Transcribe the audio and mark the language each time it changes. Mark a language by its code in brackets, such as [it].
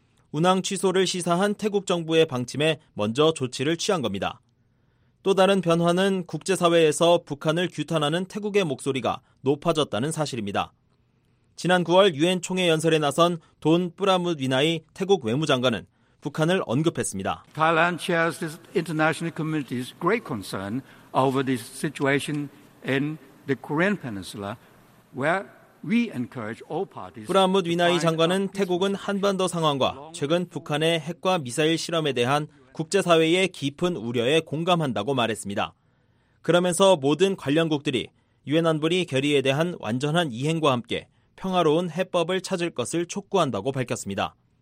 [ko] 운항 취소를 시사한 태국 정부의 방침에 먼저 조치를 취한 겁니다. 또 다른 변화는 국제사회에서 북한을 규탄하는 태국의 목소리가 높아졌다는 사실입니다. 지난 9월 유엔 총회 연설에 나선 돈 뿌라무드위나이 태국 외무장관은 북한을 언급했습니다. [en] Thailand shares the international community's great concern over the situation in the Korean Peninsula, where we encourage all parties. [ko] 뿌라무드위나이 장관은 태국은 한반도 상황과 최근 북한의 핵과 미사일 실험에 대한 국제사회의 깊은 우려에 공감한다고 말했습니다. 그러면서 모든 관련국들이 유엔 안보리 결의에 대한 완전한 이행과 함께 평화로운 해법을 찾을 것을 촉구한다고 밝혔습니다.